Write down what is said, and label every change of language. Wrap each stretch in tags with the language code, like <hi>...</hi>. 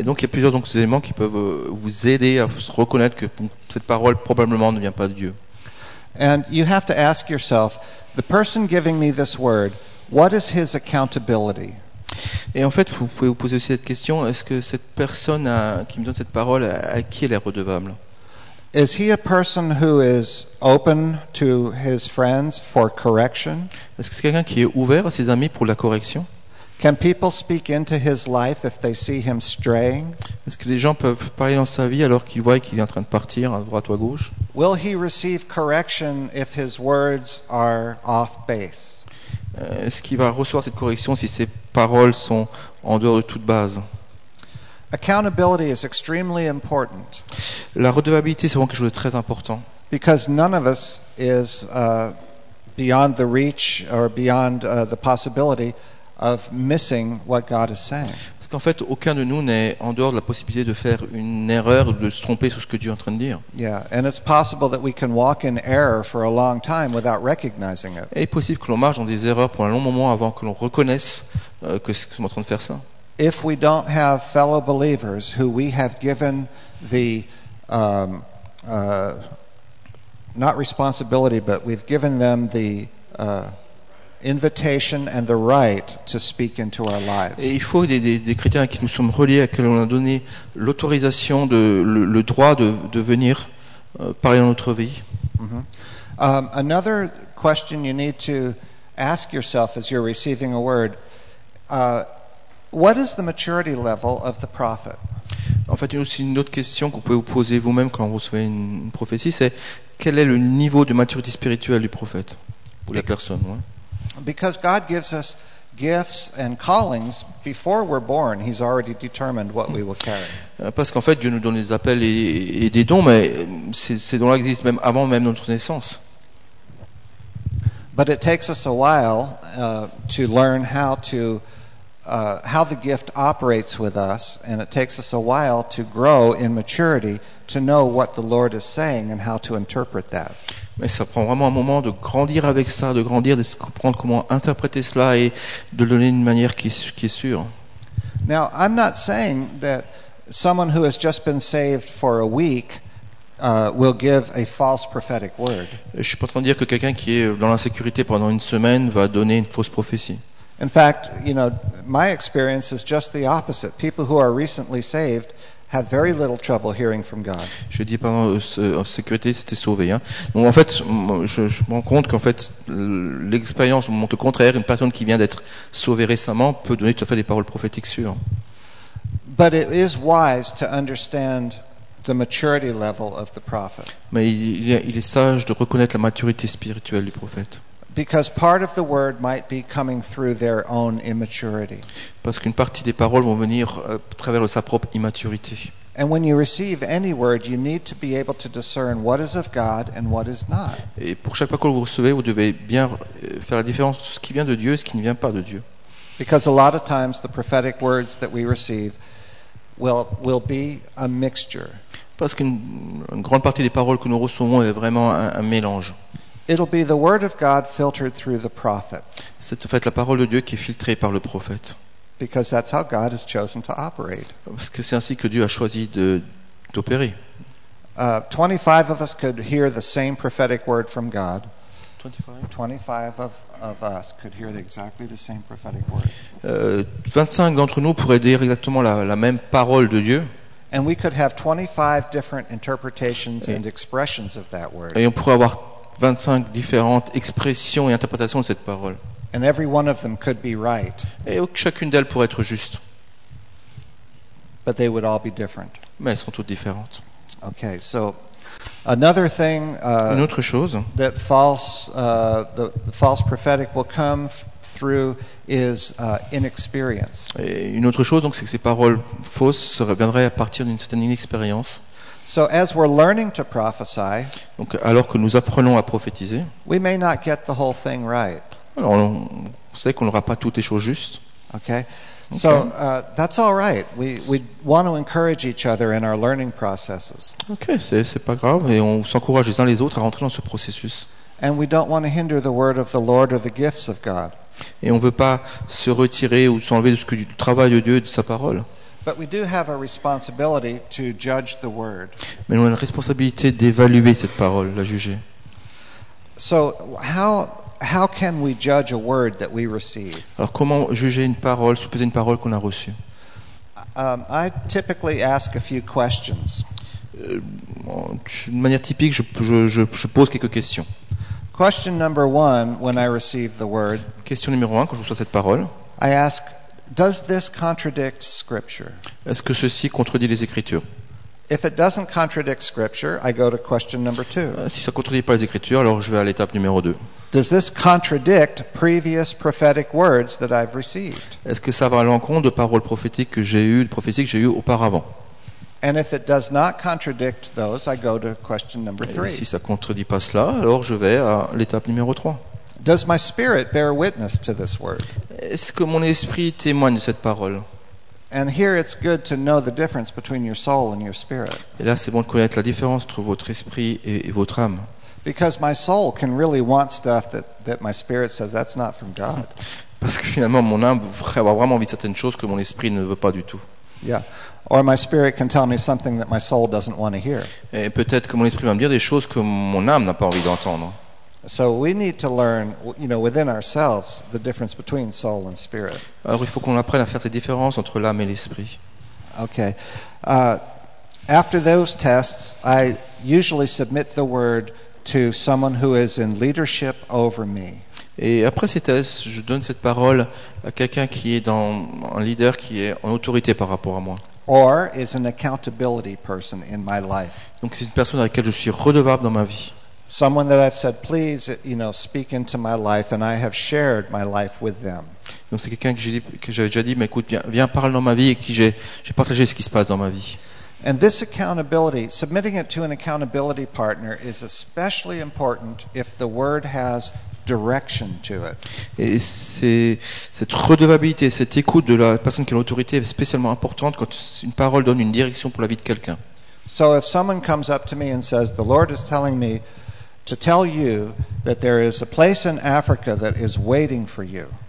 <fr>Et donc il y a plusieurs éléments qui peuvent vous aider à reconnaître que cette parole probablement ne vient pas de Dieu.</fr> <en>And you have to ask yourself, the person giving me this word, what is his accountability?</en> <fr>Et en fait, vous pouvez vous poser aussi cette question, est-ce que cette personne qui me donne cette parole, à qui elle est redevable?</fr> <en>Is he a person who is open to his friends for correction?</en> <fr>Est-ce que c'est quelqu'un qui est ouvert à ses amis pour la correction?</fr> <en>Can people speak into his life if they see him straying?</en> <fr>Est-ce que les gens peuvent parler dans sa vie alors qu'ils voient qu'il est en train de partir à droite ou à gauche?</fr> <en>Will he receive correction if his words are off base?</en> <fr>Est-ce qu'il va recevoir cette correction si ses paroles sont en dehors de toute base?</fr> <en>Accountability is extremely important.</en> <fr>La redevabilité, c'est vraiment quelque chose de très important.</fr> <en>Because none of us is beyond the reach or beyond the possibility of missing what God is saying.</en> <fr>Parce qu'en fait, aucun de nous n'est en dehors de la possibilité de faire une erreur ou de se tromper sur ce que Dieu est en train de dire.</fr> <en>Yeah, and it's possible that we can walk in error for a long time without recognizing it.</en> <fr>Et il est possible que l'on marche dans des erreurs pour un long moment avant que l'on reconnaisse que nous sommes en train de faire ça.</fr> <en>If we don't have fellow believers who we have given the not responsibility, but we've given them the invitation and the right to speak into our lives.</en> <fr>Et il faut des chrétiens à qui nous sommes reliés, à qui l'on a donné l'autorisation, le droit de venir parler dans notre vie.</fr> <en>Mm-hmm. Another question you need to ask yourself as you're receiving a word. What is the maturity level of the prophet?</en> <fr>En fait, aussi une autre question qu'on peut vous poser vous-même quand vous recevez une prophétie, c'est quel est le niveau de maturité spirituelle du prophète ou la personne, ouais.</fr> <en>Because God gives us gifts and callings before we're born, He's already determined what we will carry.</en> <fr>Parce qu'en fait, Dieu nous donne des appels et des dons, mais ces dons-là existent même avant même notre naissance.</fr> <en>But it takes us a while to learn how to. How the gift operates with us, and it takes us a while to grow in maturity to know what the Lord is saying and how to interpret that.</en> <fr>Mais ça prend vraiment un moment de grandir avec ça, de grandir, de comprendre comment interpréter cela et de le donner d'une manière qui est sûre.</fr> <en>Now, I'm not saying that someone who has just been saved for a week will give a false prophetic word.</en> <fr>Je ne suis pas en train de dire que quelqu'un qui est dans l'insécurité pendant une semaine va donner une fausse prophétie.</fr> <en>In fact, you know, my experience is just the opposite. People who are recently saved have very little trouble hearing from God.</en> <fr>Je dis pas en sécurité, c'était sauvé, hein. Bon, en fait, je me rends compte qu'en fait, l'expérience montre au contraire, une personne qui vient d'être sauvée récemment peut donner tout à fait des paroles prophétiques sûres.</fr> <en>But it is wise to understand the maturity level of the prophet.</en> <fr>Mais il est sage de reconnaître la maturité spirituelle du prophète.</fr> <en>Because part of the word might be coming through their own immaturity.</en> <fr>Parce qu'une partie des paroles vont venir à travers sa propre immaturité.</fr> <en>And when you receive any word, you need to be able to discern what is of God and what is not.</en> <fr>Et pour chaque parole que vous recevez, vous devez bien faire la différence entre ce qui vient de Dieu et ce qui ne vient pas de Dieu.</fr> <en>Because a lot of times the prophetic words that we receive will be a mixture.</en> <fr>Parce qu'une grande partie des paroles que nous recevons est vraiment un mélange.</fr> <en>It'll be the word of God filtered through the prophet.</en> <fr>C'est en fait la parole de Dieu qui est filtrée par le prophète.</fr> <en>Because that's how God has chosen to operate.</en> <fr>Parce que c'est ainsi que Dieu a choisi d'opérer.</fr> <en>25 of us could hear the same prophetic word from God. 25 of us could hear exactly the same prophetic word.</en> <fr>25 d'entre nous pourraient dire exactement la même parole de Dieu.</fr> <en>And we could have 25 different interpretations and expressions of that word.</en> <fr>Et on pourrait avoir 25 différentes expressions et interprétations de cette parole.</fr> <en>And every one of them could be right.</en> <fr>Et chacune d'elles pourrait être juste.</fr> <en>But they would all be different.</en> <fr>Mais elles sont toutes différentes.</fr> <en>Okay, so another thing,</en> <fr>une autre chose,</fr> <en>that the false prophetic will come through is inexperience.</en> <fr>Et une autre chose, donc, c'est que ces paroles fausses reviendraient à partir d'une certaine inexpérience.</fr> <en>So as we're learning to prophesy,</en> <fr>donc alors que nous apprenons à prophétiser,</fr> <en>we may not get the whole thing right.</en> <fr>Alors on sait qu'on n'aura pas toutes les choses justes.</fr> <en>Okay. So that's all right. We want to encourage each other in our learning processes.</en> <fr>Okay, c'est pas grave et on s'encourage les uns les autres à rentrer dans ce processus.</fr> <en>And we don't want to hinder the word of the Lord or the gifts of God.</en> <fr>Et on veut pas se retirer ou s'enlever de ce que du travail de Dieu et de sa parole.</fr> <en>But we do have a responsibility to judge the word.</en> <fr>Mais on a une responsabilité d'évaluer cette parole, la juger.</fr> <en>So how can we judge a word that we receive?</en> <fr>Alors comment juger une parole, supposer une parole qu'on a reçue?</fr> <en>I typically ask a few questions.</en> <fr>D'une manière typique, je pose quelques questions.</fr> <en>Question number one, when I receive the word,</en> <fr>question numéro un, quand je reçois cette parole,</fr> <en>I ask, does this contradict scripture?</en> <fr>Est-ce que ceci contredit les Écritures?</fr> <en>If it doesn't contradict scripture, I go to question number two.</en> <fr>Si ça contredit pas les Écritures, alors je vais à l'étape numéro 2.</fr> <en>Does this contradict previous prophetic words that I've received?</en> <fr>Est-ce que ça va à l'encontre de paroles prophétiques que j'ai eues, de prophéties que j'ai eues auparavant?</fr> <en>And if it does not contradict those, I go to question number 3.</en> <fr>Si ça contredit pas cela, alors je vais à l'étape numéro 3.</fr> <en>Does my spirit bear witness to this word?</en> <fr>Est-ce que mon esprit témoigne de cette parole?</fr> <en>And here it's good to know the difference between your soul and your spirit.</en> <fr>Et là, c'est bon de connaître la différence entre votre esprit et votre âme.</fr> <en>Because my soul can really want stuff that my spirit says that's not from God.</en> <fr>Parce que finalement, mon âme va avoir vraiment envie de certaines choses que mon esprit ne veut pas du tout.</fr> <en>Yeah. Or my spirit can tell me something that my soul doesn't want to hear.</en> <fr>Et peut-être que mon esprit va me dire des choses que mon âme n'a pas envie d'entendre.</fr> <en>So we need to learn, you know, within ourselves the difference between soul and spirit.</en> <fr>Alors il faut qu'on apprenne à faire cette différence entre l'âme et l'esprit.</fr> <en>Okay. After those tests, I usually submit the word to someone who is in leadership over me.</en> <fr>Et après ces tests, je donne cette parole à quelqu'un qui est dans un leader qui est en autorité par rapport à moi.</fr> <en>Or is an accountability person in my life.</en> <fr>Donc c'est une personne à laquelle je suis redevable dans ma vie.</fr> <en>Someone that I've said, please, you know, speak into my life, and I have shared my life with them.</en> <fr>Donc c'est quelqu'un que j'avais déjà dit, mais écoute, viens parle dans ma vie et qui j'ai partagé ce qui se passe dans ma vie.</fr> <en>And this accountability, submitting it to an accountability partner, is especially important if the word has direction to it.</en> <fr>Et cette redevabilité, cette écoute de la personne qui a l'autorité est spécialement importante quand une parole donne une direction pour la vie de quelqu'un.</fr> <en>So if someone comes up to me and says, the Lord is telling me to tell you that there is a place in Africa that is waiting for you.</en>